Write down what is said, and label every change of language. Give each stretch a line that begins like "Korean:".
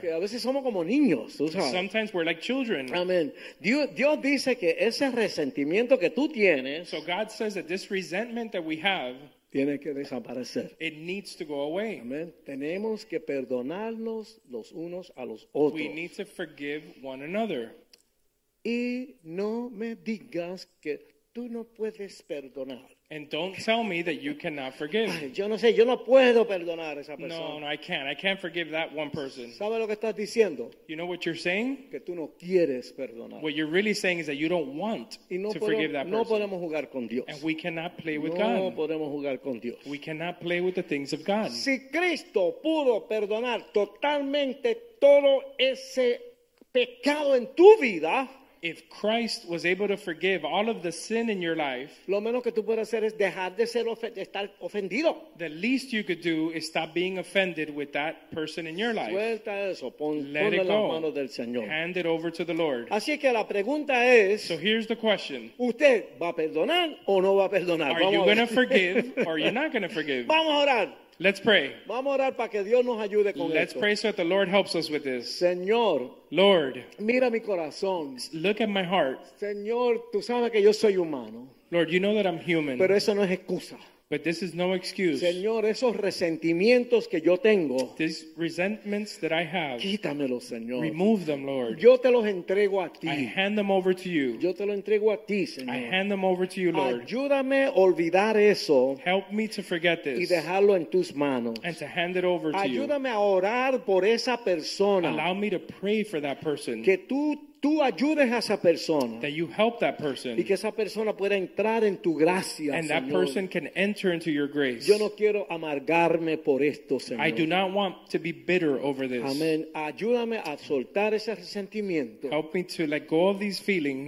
Spanish: Porque a veces somos como niños, tú sabes.
English: Sometimes we're like children. Amen.
Spanish: Dios dice que ese resentimiento que tú tienes.
English: So God says that this resentment that we have.
Spanish: Tiene que desaparecer.
English: It needs to go away. Amen.
Spanish: Tenemos que perdonarnos los unos a los otros.
English: We need to forgive one another.
Spanish: Y no me digas que tú no puedes perdonar.
English: And don't tell me that you cannot forgive.
Spanish: Ay, yo no sé, yo no puedo perdonar a esa persona.
English: No, I can't. I can't forgive that one person.
Spanish: ¿Sabes lo que estás diciendo?
English: You know what you're saying?
Spanish: Que tú no quieres perdonar.
English: What you're really saying is that you don't want
Spanish: y no
English: to forgive that
Spanish: no
English: person.
Spanish: Podemos jugar con Dios.
English: And we cannot play
Spanish: no
English: with God.
Spanish: No podemos jugar con Dios.
English: We cannot play with the things of God.
Spanish: Si Cristo pudo perdonar totalmente todo ese pecado en tu vida.
English: If Christ was able to forgive all of the sin in your life,
Spanish: lo menos que tú puedes hacer es dejar de ser estar ofendido.
English: The least you could do is stop being offended with that person in your life.
Spanish: Suelta eso,
English: let it go.
Spanish: Mano del Señor.
English: Hand it over to the Lord.
Spanish: Así que la pregunta es,
English: so here's the question.
Spanish: ¿Usted va a perdonar o no va a perdonar?
English: Are you going to forgive or you're not going to forgive?
Spanish: Vamos a orar.
English: Let's pray.
Spanish: Vamos a orar para que Dios nos ayude con
English: Let's
Spanish: esto.
English: Pray so that the Lord helps us with this.
Spanish: Señor.
English: Lord.
Spanish: Mira mi corazón.
English: Look at my heart.
Spanish: Señor, tú sabes que yo soy humano.
English: Lord, you know that I'm human.
Spanish: Pero eso no es excusa.
English: But this is no excuse.
Spanish: Señor, esos resentimientos que yo tengo.
English: These resentments that I have.
Spanish: Quítamelos, Señor.
English: Remove them, Lord.
Spanish: Yo te los entrego a ti.
English: I hand them over to you.
Spanish: Yo te lo entrego a ti, Señor.
English: I hand them over to you, Lord.
Spanish: Ayúdame a olvidar eso.
English: Help me to forget this.
Spanish: Y dejarlo en tus manos.
English: And to hand it over to
Spanish: Ayúdame
English: you.
Spanish: Ayúdame a orar por esa persona.
English: Allow me to pray for that person.
Spanish: Que tú ayudes a esa persona.
English: That you help that person.
Spanish: Y que esa persona pueda entrar en tu gracia,
English: And
Spanish: Señor.
English: That person can enter into your grace.
Spanish: Yo no quiero amargarme por esto, Señor.
English: I do not want to be bitter over this.
Spanish: Amén. Ayúdame a soltar ese resentimiento.
English: Help me to let go of these feelings.